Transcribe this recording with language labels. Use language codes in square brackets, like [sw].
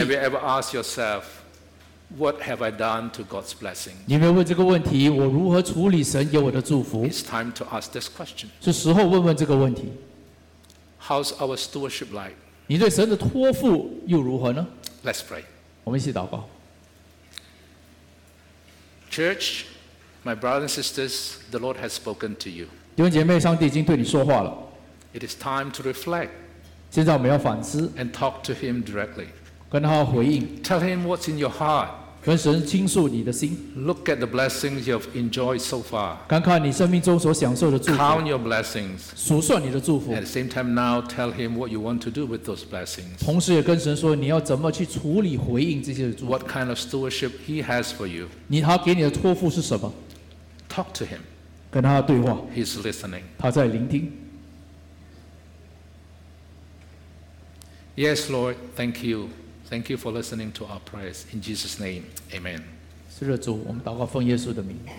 [en] Have you ever asked yourself, what have I done to God's blessing? [zh] 你有没有问这个问题, 我如何处理神给我的祝福? [en] It's time to ask this question. [zh] 是时候问问这个问题。 [en] How's our stewardship like? [zh] 你对神的托付又如何呢? [en] Let's pray. [zh] 我们一起祷告。 [en] Church, my brothers and sisters, the Lord has spoken to you. [zh] 弟兄姐妹, 上帝已经对你说话了。 [en] It is time to reflect. [zh] 现在我们要反思。 [en] And talk to him directly. [zh] 跟他回应。 [en] Tell him what's in your heart. [zh] 跟神倾诉你的心。 [en] Look at the blessings you've enjoyed so far. [zh] 看看你生命中所享受的祝福。 [en] Count your blessings. [zh] 数算你的祝福。 [en] At the same time now, tell him what you want to do with those blessings. [zh] 同时也跟神说, 你要怎么去处理回应这些祝福。 [en] What kind of stewardship he has for you. [zh] 你他给你的托付是什么? [en] Talk to him. [zh] 跟他对话。 [en] He's listening. [zh] 他在聆听。 [en] Yes, Lord, thank you. Thank you for listening to our prayers. In Jesus' name, amen. [zh] 是的主, 我们祷告奉耶稣的名。